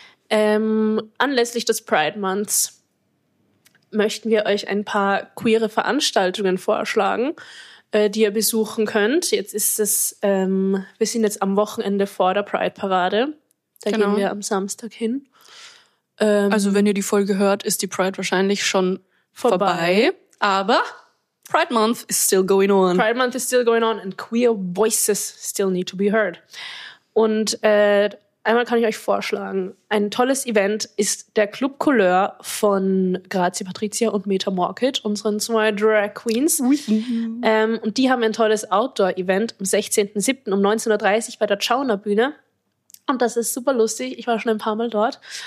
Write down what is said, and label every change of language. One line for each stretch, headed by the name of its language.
German: Anlässlich des Pride Months möchten wir euch ein paar queere Veranstaltungen vorschlagen, die ihr besuchen könnt. Jetzt ist es, wir sind jetzt am Wochenende vor der Pride Parade. Da genau. Gehen wir am Samstag hin. Also wenn ihr die Folge hört, ist die Pride wahrscheinlich schon vorbei, aber
English: Pride Month is still going on. Pride Month is still going on and queer voices still need to be heard.
German: Und einmal kann ich euch vorschlagen, ein tolles Event ist der Club Couleur von Grazia Patrizia und Meta Market, unseren zwei Drag Queens. Und die haben ein tolles Outdoor-Event am 16.07. um 19.30 Uhr bei der Chauner Bühne. Und das ist super lustig, ich war schon ein paar Mal dort.